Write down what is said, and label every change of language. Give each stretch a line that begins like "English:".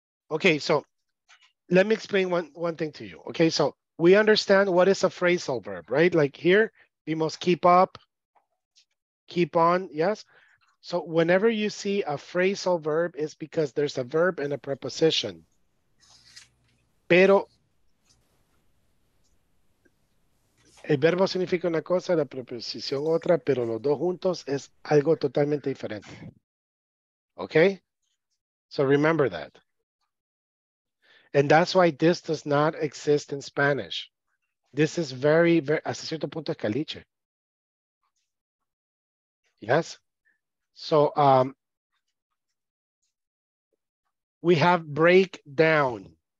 English: Okay, so let me explain one thing to you. Okay, so we understand what is a phrasal verb, right? Like here, we must keep up, keep on, yes? So whenever you see a phrasal verb, it's because there's a verb and a preposition.
Spanish: Pero el verbo significa una cosa, la preposición otra, pero los dos juntos es algo totalmente diferente.
English: Okay? So remember that. And that's why this does not exist in Spanish. This is very, very,
Spanish: hasta cierto punto es caliche.
English: Yes? So, we have break down.